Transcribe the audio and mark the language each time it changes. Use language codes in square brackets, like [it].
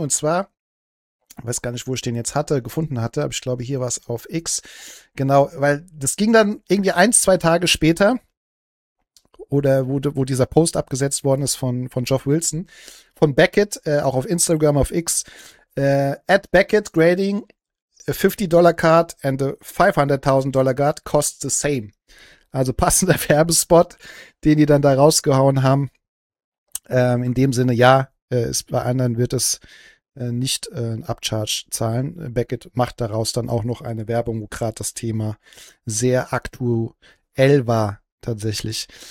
[de] Und zwar, ich weiß gar nicht, wo ich den jetzt gefunden hatte, aber ich glaube, hier war es auf X. Genau, weil das ging dann irgendwie 1-2 Tage später. Oder wo dieser Post abgesetzt worden ist von Geoff Wilson, von Beckett, auch auf Instagram, auf X. [en] At Beckett grading a $50 card and a $500,000 card cost the same. [de] Also passender Werbespot, den die dann da rausgehauen haben. In dem Sinne, ja, bei anderen wird es nicht ein Upcharge zahlen. Beckett macht daraus dann auch noch eine Werbung, wo gerade das Thema sehr aktuell war tatsächlich.